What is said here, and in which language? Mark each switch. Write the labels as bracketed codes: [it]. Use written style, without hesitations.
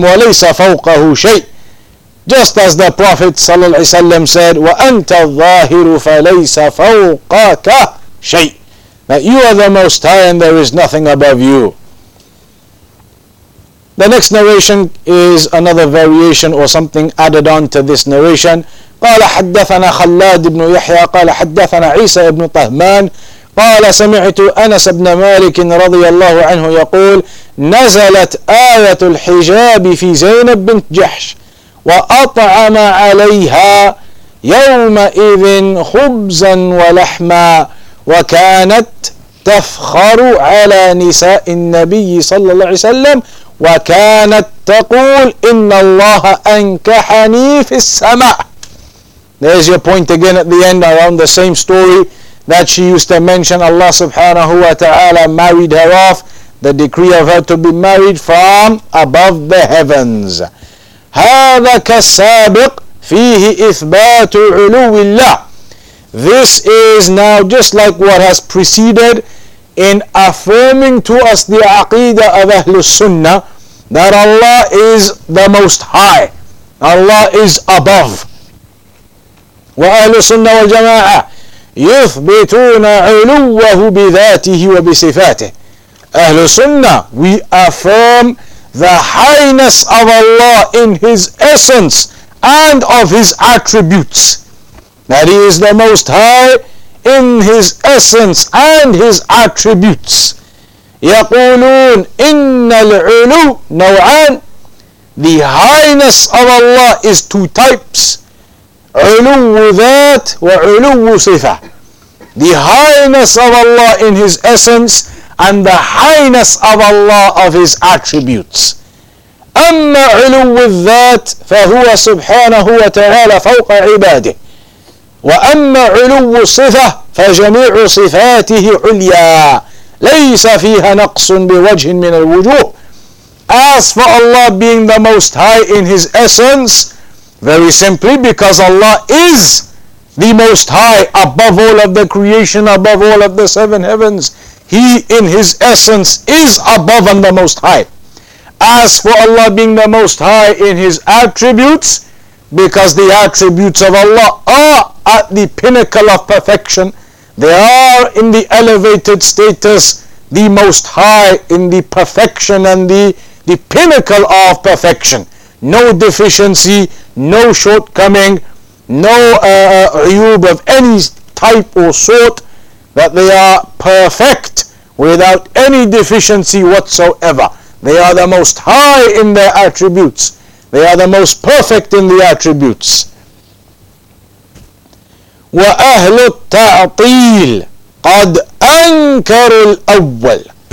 [ar] وليس فوقه شيء. [en] Just as the Prophet صلى الله عليه وسلم said, [ar] وأنت الظاهر فليس فوقك شيء, [en] that you are the Most High and there is nothing above you. The next narration is another variation or something added on to this narration. [ar] قال حدثنا خلاد بن يحيى قال حدثنا عيسى بن طهمان قال سمعت أنس بن مالك رضي الله عنه يقول نزلت آية الحجاب في زينب بنت جحش وأطعم عليها يومئذ خبزا ولحما وكانت تفخر على نساء النبي صلى الله عليه وسلم وكانت تقول إن الله أنكحني في السماء. [en] There's your point again at the end around the same story that she used to mention Allah subhanahu wa ta'ala married her off, the decree of her to be married from above the heavens. [ar] هذا كالسابق فيه إثبات علو الله. [en] This is now just like what has preceded in affirming to us the aqeedah of Ahlus Sunnah, that Allah is the Most High. Allah is above. [ar] وأهل السنة والجماعة يثبتون علوه بذاته وبصفاته. [en] أهل السنة, we affirm the highness of Allah in His essence and of His attributes. That He is the Most High in His essence and His attributes. [ar] يقولون إن العلو نوعان. [en] The highness of Allah is two types. [ar] علو ذات وعلو صفة. [en] The highness of Allah in His essence and the highness of Allah of His attributes. [ar] أما علو الذات فهو سبحانه وتعالى فوق عباده. وأما علو الصفة فجميع صفاته عليا ليس فيها نقص بوجه من الوجوه. [en] As for Allah being the Most High in His essence, very simply because Allah is the Most High above all of the creation, above all of the seven heavens, He in His essence is above and the Most High. As for Allah being the Most High in His attributes, because the attributes of Allah are at the pinnacle of perfection, they are in the elevated status, the Most High in the perfection and the pinnacle of perfection. No deficiency, no shortcoming, no ayub of any type or sort, that they are perfect without any deficiency whatsoever. They are the Most High in their attributes. They are the most perfect in the attributes. [ar] وأهل التعطيل قد أنكروا الأول.